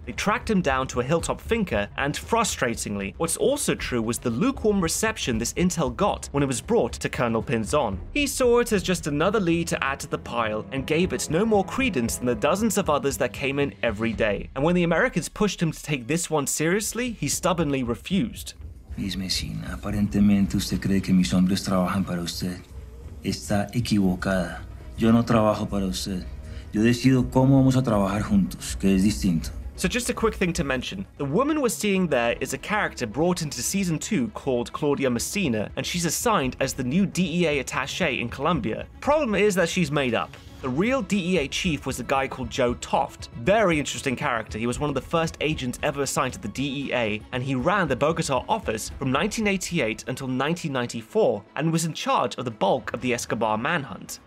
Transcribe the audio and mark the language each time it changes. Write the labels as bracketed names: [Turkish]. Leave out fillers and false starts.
[English] They tracked him down to a hilltop finca, and frustratingly, what's also true was the lukewarm reception this intel got when it was brought to Colonel Pinzon. He saw it as just another lead to add to the pile and gave it no more credence than the dozens of others that came in every day. And when the Americans pushed him to take this one seriously, he stubbornly refused. [Spanish] Miss Messina, aparentemente usted cree que mis hombres trabajan para usted. Está equivocada. Yo no trabajo para usted. Yo decido cómo vamos a trabajar juntos, que es distinto. [English] So just a quick thing to mention. The woman we're seeing there is a character brought into season 2 called Claudia Messina, and she's assigned as the new DEA attaché in Colombia. Problem is that she's made up. The real DEA chief was a guy called Joe Toft. Very interesting character. He was one of the first agents ever assigned to the DEA, and he ran the Bogota office from 1988 until 1994, and was in charge of the bulk of the Escobar manhunt.